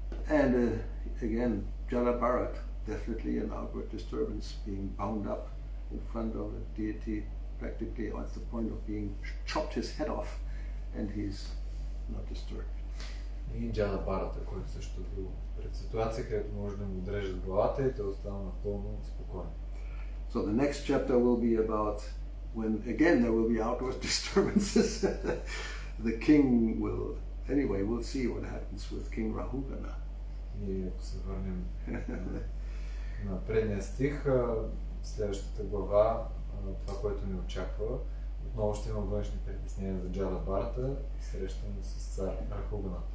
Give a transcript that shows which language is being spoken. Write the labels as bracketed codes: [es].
[en] And again, Jalabharat, definitely an outward disturbance, being bound up in front of a deity, practically at the point of being chopped his head off, and he's not disturbed. [bg] И Джалабарата, който също бил пред ситуация, където може да му дрежат главата и те остава напълно спокоен. [en] So the next chapter will be about when again there will be outward disturbances. The king will, anyway, we'll see what happens with King Rahugana. [bg] И ако се върнем на предния стих, следващата глава, това, което ни очаква, отново ще има външни притеснения за Джалабарата, срещаме с цар Рахугана.